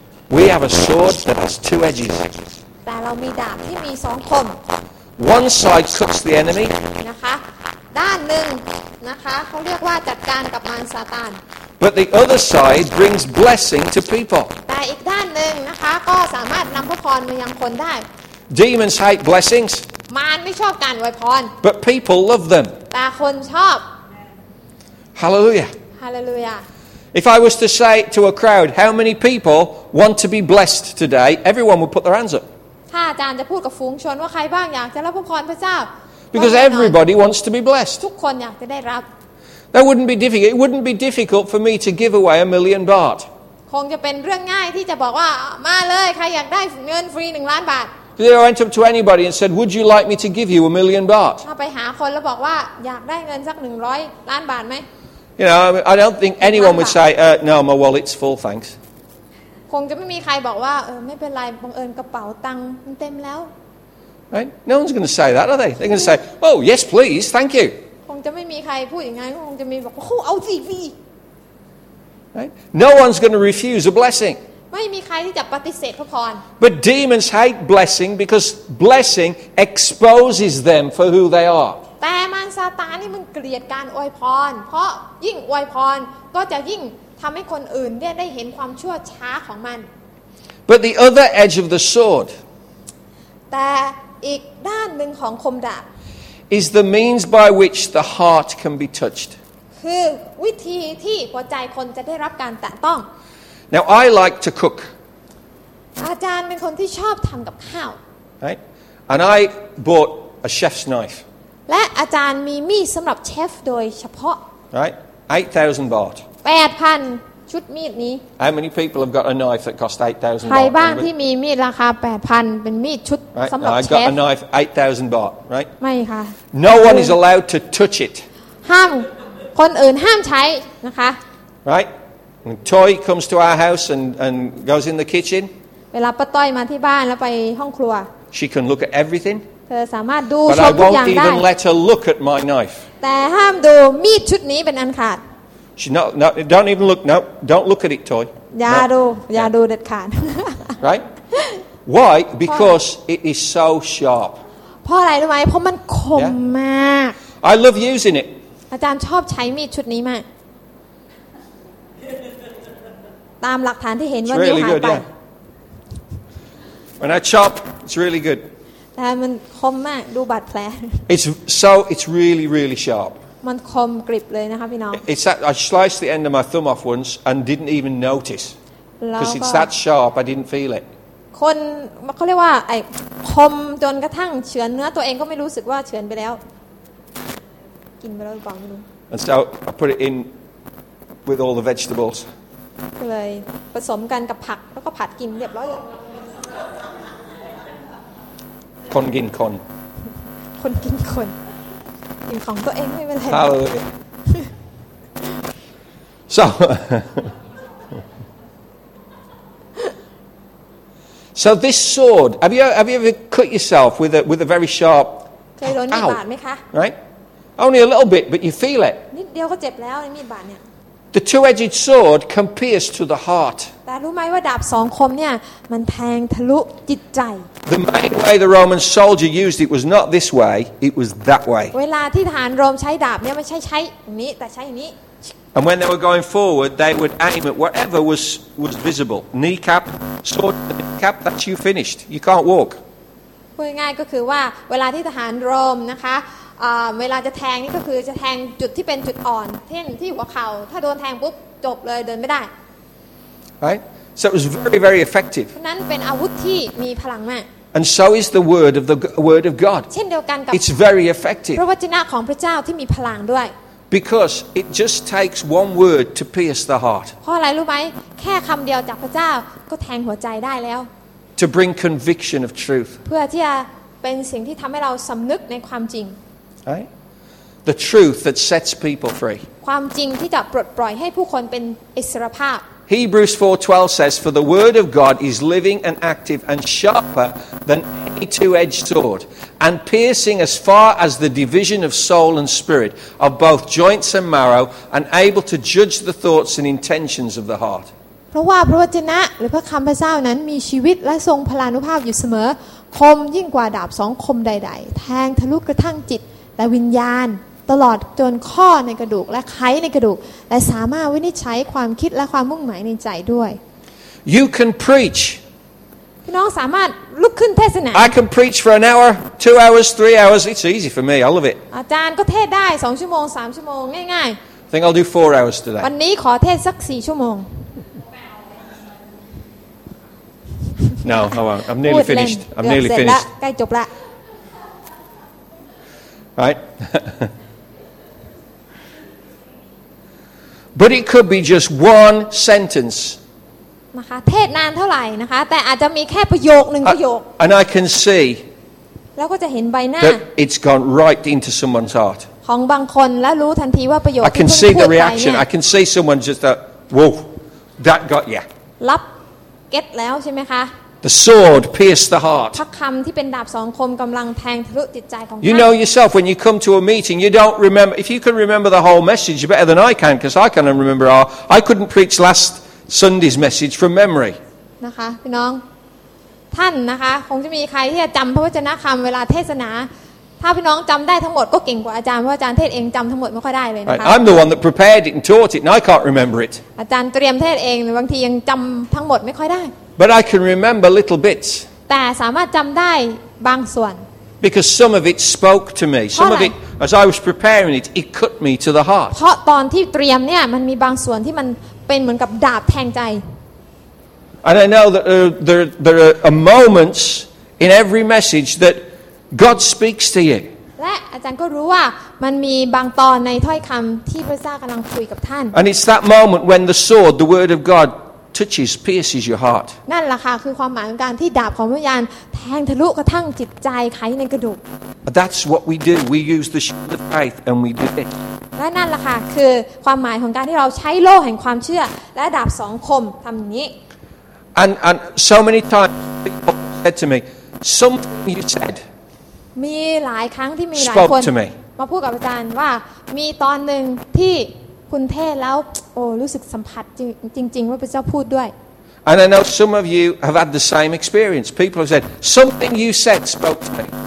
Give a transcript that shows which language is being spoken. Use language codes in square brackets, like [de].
[en] We have a sword that has two edges. [th] แต่เรามีดาบที่มี2คม [en] One side cuts the enemy. [th] นะคะด้านหนึ่งนะคะเขาเรียกว่าจัดการกับมารซาตาน [en] But the other side brings blessing to people. [th] แต่อีกด้านหนึ่งนะคะก็สามารถนำพระพรมายังคนได้ [en] Demons hate blessings. [th] มารไม่ชอบการอวยพร [en] But people love them. [th] แต่คนชอบ [en] Hallelujah. Hallelujah. If I was to say to a crowd, how many people want to be blessed today? Everyone would put their hands up. [th] ถ้าอาจารย์จะพูดกับฝูงชนว่าใครบ้างอยากจะรับพระพรพระเจ้า [en] Because everybody wants to be blessed. [th] ทุกคนอยากจะได้รับ [en] That wouldn't be difficult. It wouldn't be difficult for me to give away $1,000,000. [th] คงจะเป็นเรื่องง่ายที่จะบอกว่ามาเลยใครอยากได้เงินฟรี1,000,000 บาท [en] They went up to anybody and said, "Would you like me to give you $1,000,000?" [th] ถ้าไปหาคนแล้วบอกว่าอยากได้เงินสัก100,000,000 บาทไหม [en] You know, I don't think anyone would say, no, my wallet's full, thanks. [th] คงจะไม่มีใครบอกว่าไม่เป็นไรบังเอิญกระเป๋าตังค์มันเต็มแล้ว [en] Right? No one's going to say that, are they? They're going to say, oh, yes, please, thank you. [th] คงจะไม่มีใครพูดอย่างนั้นคงจะมีบอกว่าโอ้เอาสิพี่ [en] Right? No one's going to refuse a blessing. [th] ไม่มีใครที่จะปฏิเสธพระพร [en] But demons hate blessing because blessing exposes them for who they are. [th] แต่มารซาตานนี่มันเกลียดการอวยพรเพราะยิ่งอวยพรก็จะยิ่งทำให้คนอื่นได้เห็นความชั่วช้าของมัน [en] But the other edge of the sword [th] แต่อีกด้านหนึ่งของคมดาบ [en] is the means by which the heart can be touched [th] คือวิธีที่หัวใจคนจะได้รับการแตะต้อง [en] Now I like to cook [th] อาจารย์เป็นคนที่ชอบทำกับข้าว [en] Right and I bought a chef's knife [th] และอาจารย์มีมีดสำหรับเชฟโดยเฉพาะ [en] Right 8,000 baht [th] 8,000 ชุดมีดนี้ [en] How many people have got a knife that cost 8,000 [th] baht ใครบ้างที่มีมีดราคา 8,000 เป็นมีดชุดสำหรับเชฟ [en] I got a knife 8,000 baht right [th] ไม่ค่ะ [en] No one is allowed to touch it [th] ห้ามคนอื่นห้ามใช้นะคะ [en] Right When Toy comes to our house and goes in the kitchen [th] เวลาป้าต้อยมาที่บ้านแล้วไปห้องครัว [en] She can look at everything [th] เธอสามารถดูชมทุกอย่างได้ [en] But I won't even let her look at my knife. [th] แต่ห้ามดูมีดชุดนี้เป็นอันขาด [en] She no, don't even look. No, don't look at it, Toy. [th] อย่าดูอย่าดูเด็ดขาด [en] Right? Why? Because it is so sharp. [th] เพราะอะไรรู้ไหมเพราะมันคมมาก [en] I love using it. [th] อาจารย์ชอบใช้มีดชุดนี้มากตามหลักฐานที่เห็นว่านิ้วหายไป [en] When I chop, it's really good. [th] แต่มันคมมากดูบาดแผล [en] It's so it's really really sharp [th] มันคมกริบเลยนะคะพี่น้อง [en] It's that I sliced the end of my thumb off once and didn't even notice because it's that sharp I didn't feel it [th] คนเขาเรียกว่าไอ้คมจนกระทั่งเฉือนเนื้อตัวเองก็ไม่รู้สึกว่าเฉือนไปแล้วกินไปแล้วหรือเปล่าไม่รู้ [en] And so I put it in with all the vegetables [th] ก็เลยผสมกันกับผักแล้วก็ผัดกินเรียบร้อย คนกินคน คนกินคนกินของตัวเองไม่เป็นไร [en] Hallelujah So So this sword have you ever cut yourself with a very sharp [th] เคยโดนมีดบาดไหมคะ [en] Right Only a little bit but you feel it [th] นิดเดียวก็เจ็บแล้วมีดบาดเนี่ย [en] The two-edged sword can pierce to the heart [th] แต่รู้ไหมว่าดาบสองคมเนี่ยมันแทงทะลุจิตใจ [en] The main way the Roman soldier used it was not this way; it was that way. [th] เวลาที่ทหารโรมใช้ดาบเนี่ยไม่ใช่ใช้อย่างนี้แต่ใช้อย่างนี้ [en] And when they were going forward, they would aim at whatever was visible. Kneecap, sword, kneecap. That's you finished. You can't walk. [th] พูดง่ายก็คือว่าเวลาที่ทหารโรมนะคะเวลาจะแทงนี่ก็คือจะแทงจุดที่เป็นจุดอ่อนเช่นที่หัวเข่าถ้าโดนแทงปุ๊บจบเลยเดินไม่ได้ [en] Right. So it was very, very effective. [th] นั้นเป็นอาวุธที่มีพลังมาก [en] And so is the word of God. [th] เช่นเดียวกันกับ [en] It's very effective. [th] พระวจนะของพระเจ้าที่มีพลังด้วย [en] Because it just takes one word to pierce the heart. [th] เพราะอะไรรู้ไหมแค่คำเดียวจากพระเจ้าก็แทงหัวใจได้แล้ว [en] To bring conviction of truth. [th] เพื่อที่จะเป็นสิ่งที่ทำให้เราสำนึกในความจริง [en] Right? The truth that sets people free. [th] ความจริงที่จะปลดปล่อยให้ผู้คนเป็นอิสรภาพ [en] Hebrews 4:12 says, "For the word of God is living and active, and sharper than any two-edged sword, and piercing as far as the division of soul and spirit, of both joints and marrow, and able to judge the thoughts and intentions of the heart." [th] ราะว่าพระวจนะหรือพระคำพระเจ้านั้นมีชีวิตและทรงพลานุภาพอยู่เสมอคมยิ่งกว่าดาบสองคมใดๆแทงทะลุกระทั่งจิตและวิญญาณตลอดจนข้อในกระดูกและไขในกระดูกและสามารถวินิจฉัยความคิดและความมุ่งหมายในใจด้วย [en] You can preach [th] พี่น้องสามารถลุกขึ้นเทศนา [en] I can preach for an hour 2 hours 3 hours it's easy for me I love it [th] อาจารย์ก็เทศได้2ชั่วโมง3ชั่วโมงง่าย [en] ๆ Think I'll do 4 hours today [th] วันนี้ขอเทศสัก4ชั่วโมง [en] No I won't. I'm nearly finished I'm nearly finished [th] ใกล้จบละ [en] Right But it could be just one sentence. [th] นะคะ เทศนานเท่าไหร่นะคะ แต่อาจจะมีแค่ประโยคหนึ่งประโยค [en] And I can see. [th] แล้วก็จะเห็นใบหน้า [en] That it's gone right into someone's heart. [th] ของบางคนแล้วรู้ทันทีว่าประโยคที่ [en] I can see the reaction. I can see someone just that. Whoa, that got ya. [th] รับเก็ตแล้วใช่ไหมคะ [en] The sword pierced the heart. [th] พระคำที่เป็นดาบสองคมกำลังแทงทะลุจิตใจของท่าน [en] You know yourself when you come to a meeting, you don't remember. If you can remember the whole message, you're better than I can because I can't remember all. I couldn't preach last Sunday's message from memory. [th] นะคะพี่น้องท่านนะคะคงจะมีใครที่จะจำพระวจนะคำเวลาเทศนาถ้าพี่น้องจำได้ทั้งหมดก็เก่งกว่าอาจารย์เพราะอาจารย์เทศเองจำทั้งหมดไม่ค่อยได้เลยนะคะ [en] right. I'm the one that prepared it and taught it, and I can't remember it. [th] อาจารย์เตรียมเทศเองบางทียังจำทั้งหมดไม่ค่อยได้ [en] But I can remember little bits. [th] แต่สามารถจำได้บางส่วน [en] Because some of it spoke to me. Some of it, as I was preparing it, it cut me to the heart. [th] เพราะตอนที่เตรียมเนี่ยมันมีบางส่วนที่มันเป็นเหมือนกับดาบแทงใจ [en] And I know that there are moments in every message that God speaks to you. [th] และอาจารย์ก็รู้ว่ามันมีบางตอนในถ้อยคำที่พระเจ้ากำลังคุยกับท่าน [en] And it's that moment when the sword, the word of God. Touches, pierces your heart. [th] นั่นแหละค่ะคือความหมายของการที่ดาบของวิญญาณแทงทะลุกระทั่งจิตใจไขในกระดูก [en] That's what we do. We use the shield of faith and we do it. [th] และนั่นแหละค่ะคือความหมายของการที่เราใช้โล่แห่งความเชื่อและดาบสองคมทำอย่างนี้ [en] And so many times people said to me something you said. [th] มีหลายครั้งที่มีหลายคนมาพูดกับอาจารย์ว่ามีตอนนึงที่คุณเทศแล้วโอ้รู้สึกสัมผัสจริงๆว่าพระเจ้าพูดด้วย [en] And I know some of you have had the same experience. People have said something you said spoke to me.